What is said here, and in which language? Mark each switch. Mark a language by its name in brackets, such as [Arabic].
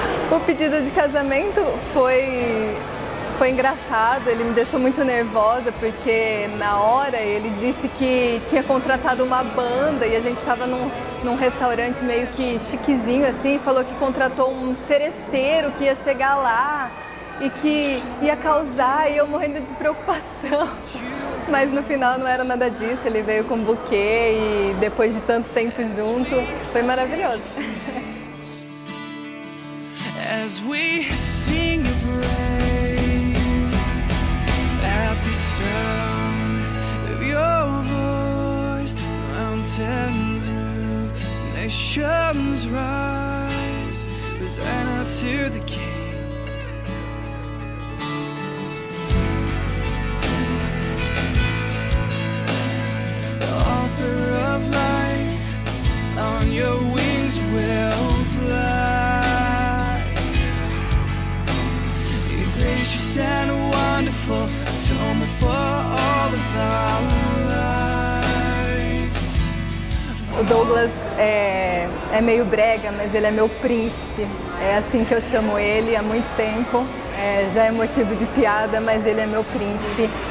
[Portuguese] O pedido de casamento foi engraçado, ele me deixou muito nervosa porque na hora ele disse que tinha contratado uma banda e a gente estava num restaurante meio que chiquezinho assim, e falou que contratou um seresteiro que ia chegar lá e que ia causar, e eu morrendo de preocupação. Mas no final não era nada disso, ele veio com buquê e depois de tanto tempo junto, foi maravilhoso. [English] As we sing of the sound of your voice, mountains move, nations rise, Hosanna to the King. The author of life, on your wings will fly. You're gracious and wonderful, home for all the lights. [Portuguese] O Douglas é meio brega, mas ele é meu príncipe. É assim que eu chamo ele há muito tempo. Já é motivo de piada, mas ele é meu príncipe.